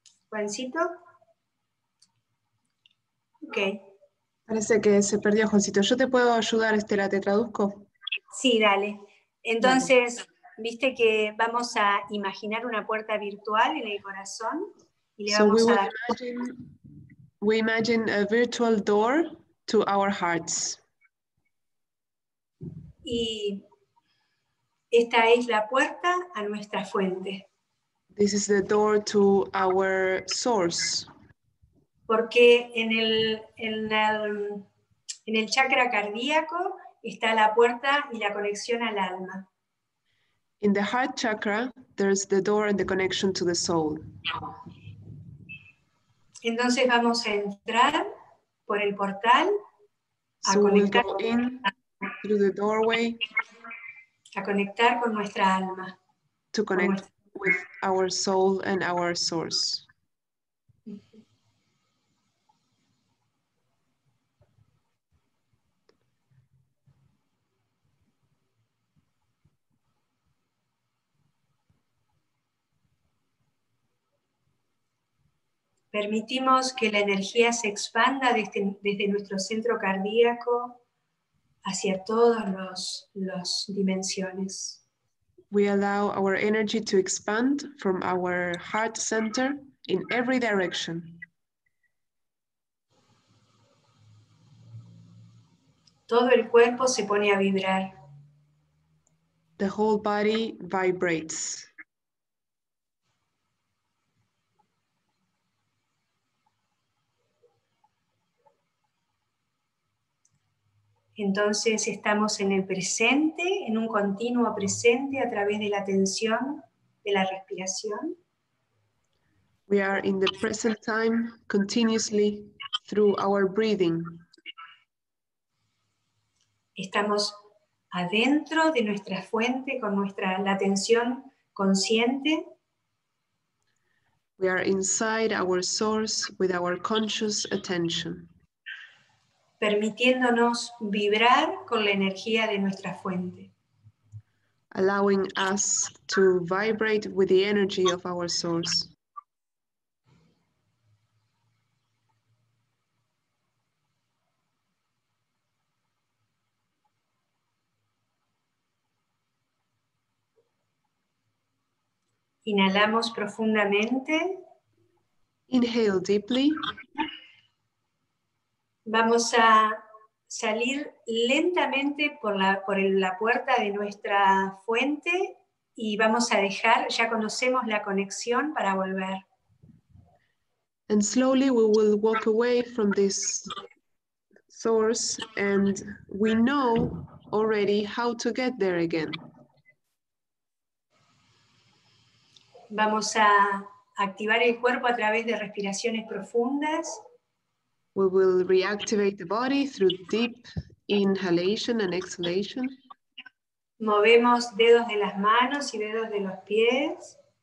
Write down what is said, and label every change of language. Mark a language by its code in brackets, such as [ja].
[es] ¿Juancito? Ok. Parece que se perdió, Juancito. ¿Yo te puedo ayudar, Estela? ¿Te traduzco? Sí, dale. Entonces, dale. Viste que vamos a imaginar una puerta virtual en el corazón. Y le vamos a dar... [en] We imagine a virtual door to our hearts. [es] Y esta es la puerta a nuestra fuente. [en] This is the door to our source. [es] Porque en el chakra cardíaco está la puerta y la conexión al alma. [en] In the heart chakra, there's the door and the connection to the soul. [es] Entonces vamos a entrar por el portal a conectar con nuestra alma. [en] To connect with our soul and our source. [es] Permitimos que la energía se expanda desde nuestro centro cardíaco hacia todos los dimensiones. [en] We allow our energy to expand from our heart center in every direction. [es] Todo el cuerpo se pone a vibrar. [en] The whole body vibrates. [es] Entonces estamos en el presente, en un continuo presente a través de la atención, de la respiración. [en] We are in the present time, continuously through our breathing. [es] Estamos adentro de nuestra fuente con la atención consciente. [en] We are inside our source with our conscious attention. [es] Permitiéndonos vibrar con la energía de nuestra fuente. [en] Allowing us to vibrate with the energy of our source. [es] Inhalamos profundamente. [en] Inhale deeply. [es] Vamos a salir lentamente por la puerta de nuestra fuente y vamos a dejar, ya conocemos la conexión para volver. [en] And slowly we will walk away from this source and we know already how to get there again. [es] Vamos a activar el cuerpo a través de respiraciones profundas. [en] We will reactivate the body through deep inhalation and exhalation. [es] Movemos dedos de las manos y dedos de los pies.